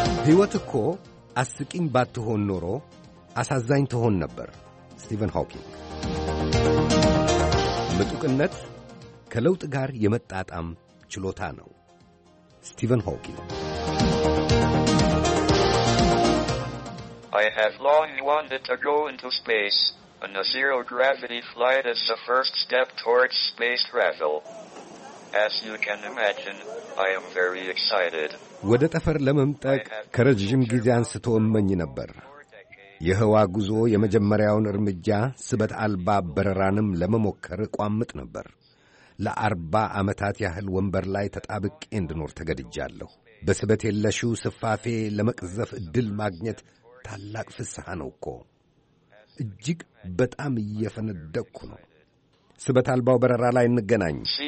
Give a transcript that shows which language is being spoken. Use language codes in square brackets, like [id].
[am] ሕይወት እኮ አስቂኝ ባትሆን ኖሮ አሳዛኝ ትሆን ነበር። ስቲቨን ሆኪንግ ምጡቅነት ከለውጥ ጋር የመጣጣም ችሎታ ነው። ስቲቨን ሆኪንግ [en] I have long wanted to go into space and a zero gravity flight is the first step towards space travel. As you can imagine, I am very excited. [am] ወደ ጠፈር ለመምጠቅ ከረጅም ጊዜ አንስቶ እመኝ ነበር። የህዋ ጉዞ የመጀመሪያውን እርምጃ ስበት አልባ በረራንም ለመሞከር ቋምጥ ነበር። ለአርባ ዓመታት ያህል ወንበር ላይ ተጣብቄ እንድኖር ተገድጃለሁ። በስበት የለሹ ስፋፌ ለመቅዘፍ ዕድል ማግኘት ታላቅ ፍስሐ ነው እኮ። እጅግ በጣም እየፈነደቅኩ ነው። ስበት አልባው በረራ ላይ እንገናኝ።